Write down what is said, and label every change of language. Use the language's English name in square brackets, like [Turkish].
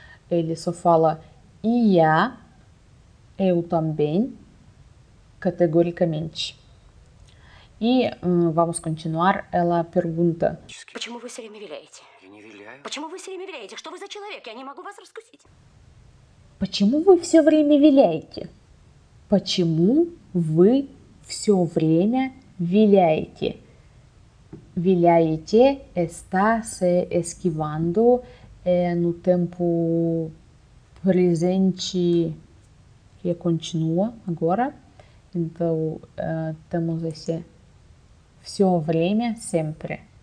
[Portuguese] Ele só fala ia, eu também, categoricamente. E vamos continuar. Ela pergunta. [Russian] Почему вы все время виляете? Я не виляю. Почему вы все время виляете? Что вы за человек? Я не могу вас раскусить. Почему вы все время виляете? Почему вы все время виляете? [Portuguese] Виляете está se esquivando no tempo presente que continua agora. Então, temos esse [Russian] все время, [Portuguese] sempre.